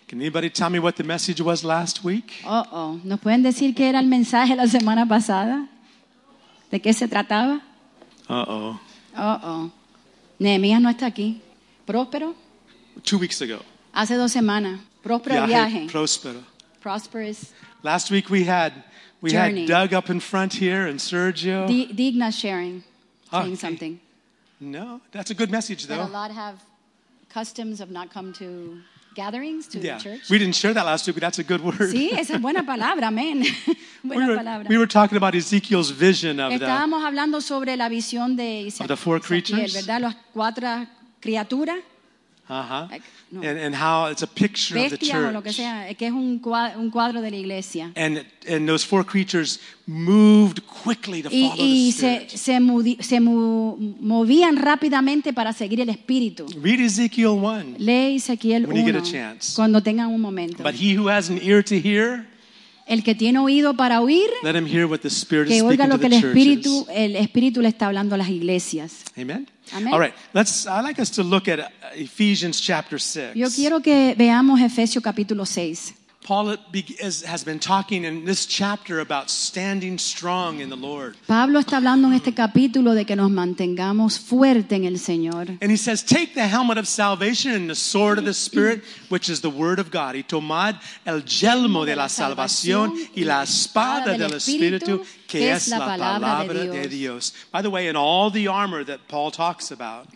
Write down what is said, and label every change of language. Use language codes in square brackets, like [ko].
[en] Can anybody tell me what the message was last week? Uh-oh. [es] ¿Nos pueden decir qué era el mensaje la semana pasada? ¿De qué se trataba? Uh-oh. Uh-oh. Nehemías no está aquí. Próspero. [en] 2 weeks ago. [es] Hace dos semanas. Próspero viaje. Próspero. [en] Prosperous. Last week we had Doug up in front here and Sergio. Digna sharing. Saying something. No, that's a good message though. That a lot have customs of not come to gatherings to yeah. the church. We didn't share that last week, but that's a good word. [es] Sí, esa es buena palabra, amén. [en] We were talking about Ezekiel's vision of [es] Estábamos hablando sobre la visión de Ezequiel, [en] the four creatures. [es] ¿Verdad? Las cuatro criaturas. [en] Uh-huh. And how it's a picture [es] Bestia, [en] of the church. [es] O lo que sea, que es un cuadro de la iglesia. [en] And those four creatures moved quickly to follow [es] y [en] the [es] se movían rápidamente para seguir el espíritu. [en] Read Ezekiel 1. [es] Lee Ezequiel 1. [en] When you get a chance. [es] Cuando tengan un momento. [en] But he who has an ear to hear, [es] el que tiene oído para oír, [en] let him hear what the Spirit [es] que [en] is speaking [es] oiga lo [en] to the [es] el espíritu le está hablando a las iglesias. Amen. Amen. [en] All right, I'd like us to look at Ephesians chapter 6. [es] Yo quiero que veamos Efesio capítulo 6. [en] Paul has been talking in this chapter about standing strong in the Lord. [es] Pablo está hablando en este capítulo de que nos mantengamos fuerte en el Señor. [en] And he says, take the helmet of salvation and the sword of the Spirit, which is the word of God. [es] Y tomad el yelmo de la salvación y la espada del Espíritu, que es la palabra de Dios. [en] By the way, in all the armor that Paul talks about,